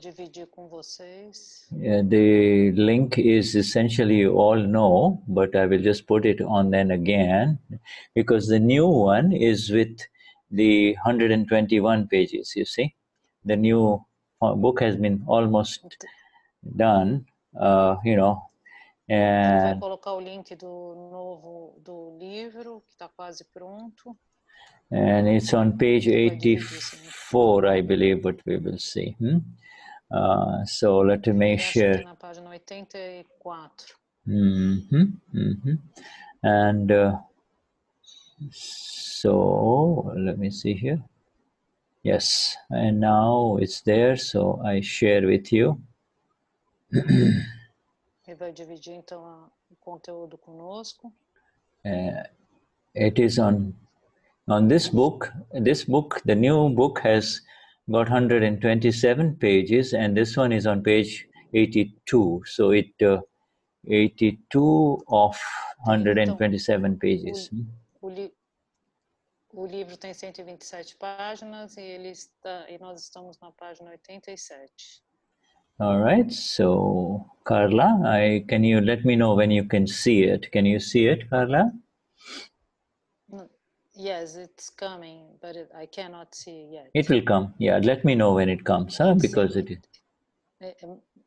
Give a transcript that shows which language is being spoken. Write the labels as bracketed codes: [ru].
[en] The link is essentially you all know, but I will just put it on then again, because the new one is with the 121 pages. You see, the new book has been almost done. You know. [pt] Você vai colocar o link do novo do livro que está quase pronto. [en] And it's on page 84, I believe, but we will see. Hmm? So let me share. [pt] Na página 84. [en] And so let me see here. Yes, and now it's there. So I share with you. [pt] Ele vai dividir, então, o conteúdo conosco. [en] It is on this book. This book, the new book, has got 127 pages, and this one is on page 82. So, it 82 of 127 pages. [pt] O livro tem 127 páginas, e ele está, e nós estamos na página 87. [en] All right, so Carla, can you let me know when you can see it? Can you see it, Carla? Yes, it's coming, but I cannot see it yet. It will come. Yeah, let me know when it comes, huh? Because it is.